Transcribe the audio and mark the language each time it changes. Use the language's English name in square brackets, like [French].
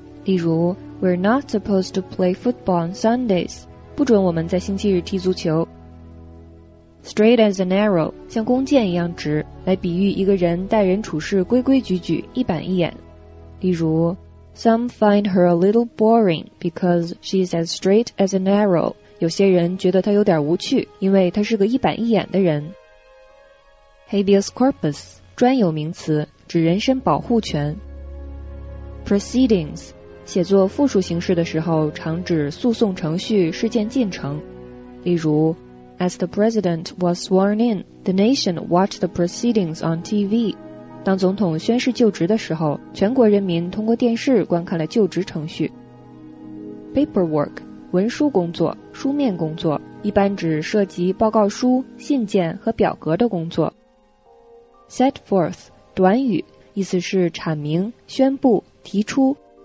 [Chinese] 例如 [English] ，We're not supposed to play football on Sundays. [Chinese] 不准我们在星期日踢足球。 [English] Straight as an arrow, [Chinese] 像弓箭一样直，来比喻一个人待人处事规规矩矩，一板一眼。例如 [English] ,Some find her a little boring because she's as straight as an arrow. [Chinese] 有些人觉得她有点无趣，因为她是个一板一眼的人。 Habeas corpus, 专有名词，指人身保护权。 Proceedings,写作复数形式的时候常指诉讼程序事件进程。例如 [English] ,As the president was sworn in, the nation watched the proceedings on TV. [Chinese] 当总统宣誓就职的时候，全国人民通过电视观看了就职程序。 Paperwork, 文书工作、书面工作，一般指涉及报告书、信件和表格的工作。 Set forth, 短语，意思是阐明、宣布、提出。